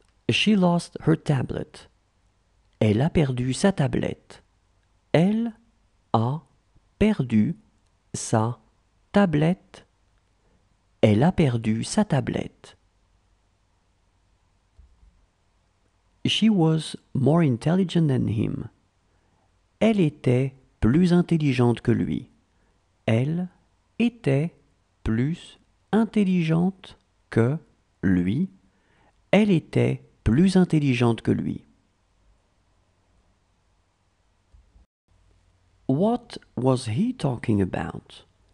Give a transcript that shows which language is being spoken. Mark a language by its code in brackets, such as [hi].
[en] She lost her tablet. [fr] Elle a perdu sa tablette. Elle a perdu sa tablette. Elle a perdu sa tablette. [en] She was more intelligent than him. [fr] Elle était plus intelligente que lui. Elle était plus intelligente que lui. Elle était plus intelligente que lui. [en] What was he talking about?